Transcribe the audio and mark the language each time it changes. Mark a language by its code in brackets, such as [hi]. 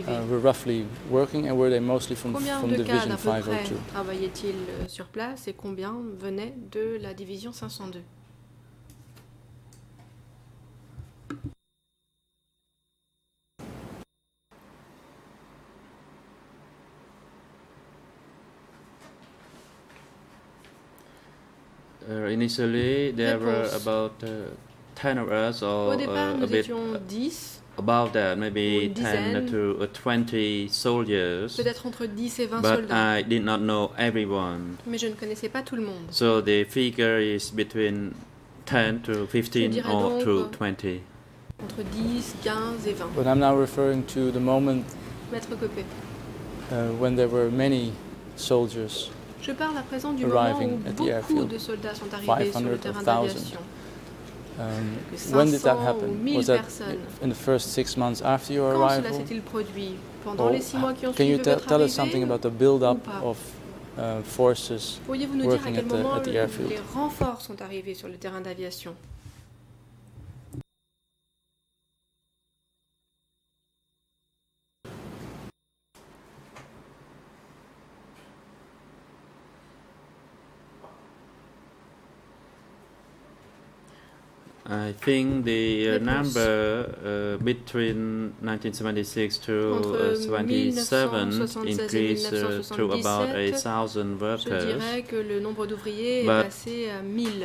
[en] were roughly working, and were they mostly from Division 502? [fr] Combien de cadres travaillaient-ils sur place, et combien venaient de la Division 502? [en] Initially, there were about 10 of us, or a bit above that, maybe 10 to 20 soldiers. [fr] Peut-être entre 10 et 20 [en] but [fr] soldats. [en] I did not know everyone. [fr] Mais je ne connaissais pas tout le monde. [en] So the figure is between 10 to 15 or to 20. [fr] Entre 10, 15 et 20. [en] But I'm now referring to the moment when there were many soldiers. [fr] Je parle à présent du moment où beaucoup de soldats sont arrivés sur le terrain d'aviation. [en] When did that happen? Was that in the first 6 months after your arrival? [fr] Quand cela s'est-il produit? Pendant les 6 mois qui ont suivi votre arrivée? [en] Can you tell us something about the build-up of forces working at the airfield? [fr] Les renforts sont arrivés sur le terrain d'aviation. [en] I think the number between 1976 to 1977 increased to about 1,000 workers. [fr] Je dirais que le nombre d'ouvriers est passé à 1,000.